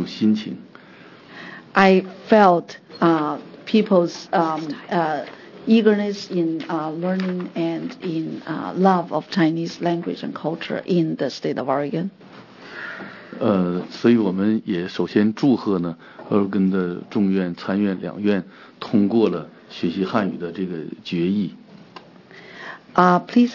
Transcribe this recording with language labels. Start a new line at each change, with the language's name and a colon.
Chinese: 所以我感到呢，在俄勒冈这个地方，这个大家对汉语学习和对中国文化了解的那种心情。
English: I felt people's eagerness in learning and in love of Chinese language and culture in the state of Oregon.
Chinese: 所以我们也首先祝贺呢，俄勒冈的众院、参院两院通过了学习汉语的这个决议。
English: Please